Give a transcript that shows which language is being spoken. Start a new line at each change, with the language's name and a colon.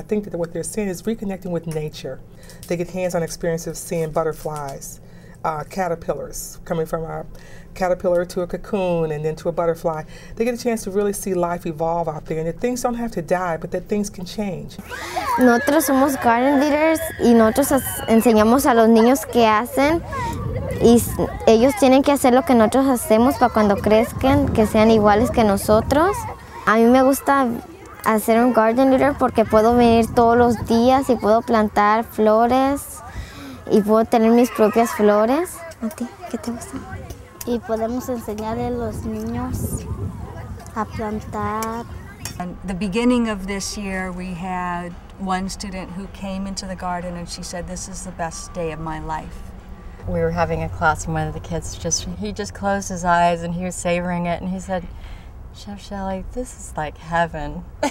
English: I think that what they're seeing is reconnecting with nature. They get hands-on experiences of seeing butterflies, caterpillars, coming from a caterpillar to a cocoon and then to a butterfly. They get a chance to really see life evolve out there, and that things don't have to die, but that things can change.
Spanish: Nosotros somos garden leaders, y nosotros enseñamos a los niños qué hacen. Y ellos tienen que hacer lo que nosotros hacemos para cuando crezcan, que sean iguales que nosotros. A mí me gusta hacer un garden leader porque puedo venir todos los días y puedo plantar flores y puedo tener mis propias flores. ¿A ti? ¿Qué te gusta? Y podemos enseñarle a los niños a plantar.
English: At the beginning of this year, we had one student who came into the garden and she said, "This is the best day of my life." We were having a class and one of the kids just closed his eyes and he was savoring it and he said, "Chef Shelley, this is like heaven."